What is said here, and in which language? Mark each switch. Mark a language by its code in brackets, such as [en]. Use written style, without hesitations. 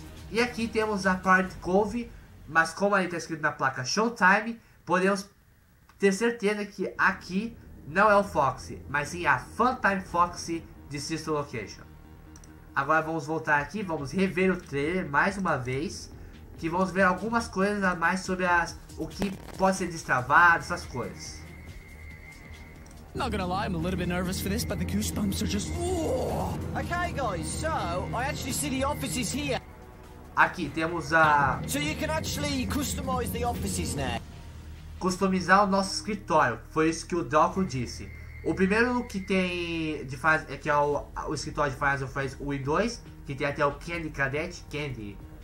[pt] E aqui temos a Pirate Cove. Mas como ali tá escrito na placa Showtime, podemos ter certeza que aqui não é o Foxy, mas sim a Funtime Foxy de Sister Location. Agora vamos voltar aqui, vamos rever o trailer mais uma vez. Que vamos ver algumas coisas a mais sobre as, o que pode ser destravado, essas coisas. [en] Not gonna lie, I'm a little bit nervous for this, but the goosebumps are just... Okay, guys, so, I actually see the offices here. [pt] Aqui, temos a... [en] So you can actually customize the offices now. [pt] Customizar o nosso escritório, foi isso que o Doctor disse. O primeiro que tem de faz... é que é o escritório de Final Fantasy 1 e 2, que tem até o Candy Cadet, Candy.